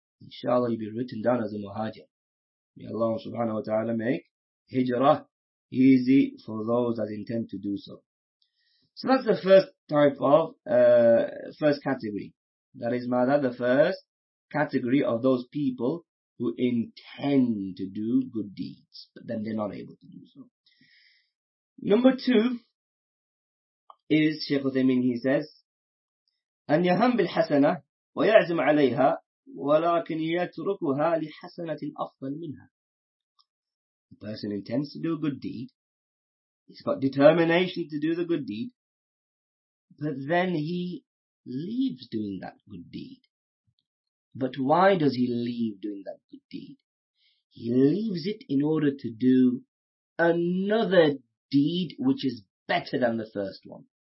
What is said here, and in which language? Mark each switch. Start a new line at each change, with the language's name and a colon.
English: Inshallah, you'll be written down as a muhajir. May Allah subhanahu wa ta'ala make hijrah easy for those that intend to do so. So that's the first type of, first category. That is mada, the first category of those people who intend to do good deeds, but then they're not able to do so. Number two is Shaykh Uthaymeen, he says,
Arabic: أن يهم بالحسنة ويعزم عليها ولكن يتركها لحسنة أفضل منها.
English: The person intends to do a good deed. He's got determination to do the good deed. But then he leaves doing that good deed. But why does he leave doing that good deed? He leaves it in order to do another deed which is better than the first one.